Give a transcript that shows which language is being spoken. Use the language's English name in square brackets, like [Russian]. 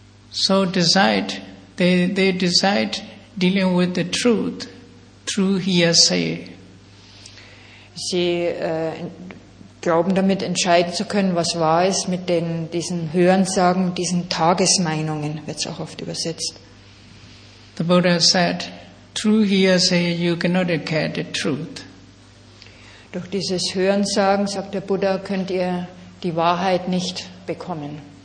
[English] So decide, they decide dealing with the truth through hearsay. [German] Sie glauben damit entscheiden zu können, was wahr ist, mit diesen Hörensagen, diesen Tagesmeinungen, wird es auch oft übersetzt. [English] The Buddha said, through hearsay you cannot get the truth. [German] Durch dieses Hörensagen, sagt der Buddha, könnt ihr die Wahrheit nicht bekommen.